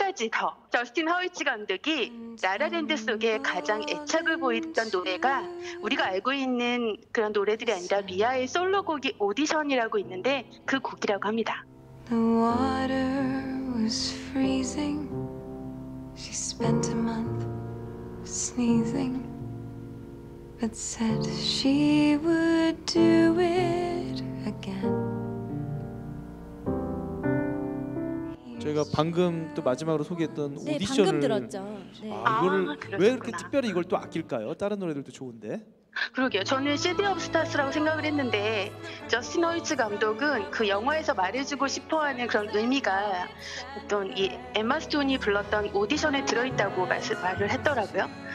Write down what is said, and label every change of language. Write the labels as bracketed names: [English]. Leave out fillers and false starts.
[Korean] 더 저스틴 허위치 감독이 라라랜드 속에 가장 애착을 보였던 노래가 우리가 알고 있는 그런 노래들이 아니라 미아의 솔로곡이 오디션이라고 있는데 그 곡이라고 합니다. [English] The water was freezing. She spent a month sneezing. But said she would do it again. [Korean] 저희가 방금 또 마지막으로 소개했던 네, 오디션을 방금 들었죠. 네. 아, 이거를 아, 왜 이렇게 특별히 이걸 또 아낄까요? 다른 노래들도 좋은데. 그러게요. 저는 시티 오브 스타스라고 생각을 했는데 저스틴 허이츠 감독은 그 영화에서 말해주고 싶어하는 그런 의미가 어떤 이 엠마 스톤이 불렀던 오디션에 들어있다고 말을 했더라고요.